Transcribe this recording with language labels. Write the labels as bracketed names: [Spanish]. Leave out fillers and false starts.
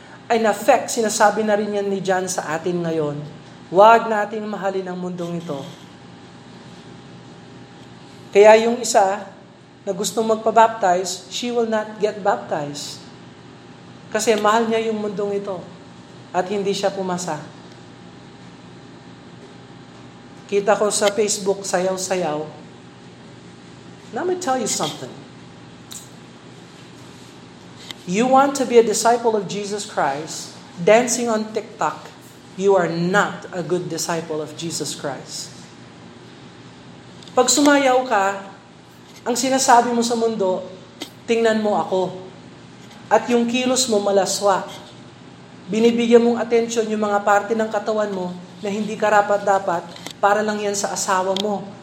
[Filipino] In effect, sinasabi na rin yan ni John sa atin ngayon, huwag nating mahalin ang mundong ito. Kaya yung isa na gustong magpabaptize, [English] she will not get baptized. [Filipino] Kasi mahal niya yung mundong ito at hindi siya pumasa. Kita ko sa Facebook, sayaw-sayaw. [English] Now, let me tell you something. You want to be a disciple of Jesus Christ, dancing on TikTok, you are not a good disciple of Jesus Christ. [Filipino] Pag sumayaw ka, ang sinasabi mo sa mundo, tingnan mo ako. At yung kilos mo malaswa. Binibigyan mong attention yung mga parte ng katawan mo na hindi karapat-dapat, para lang yan sa asawa mo.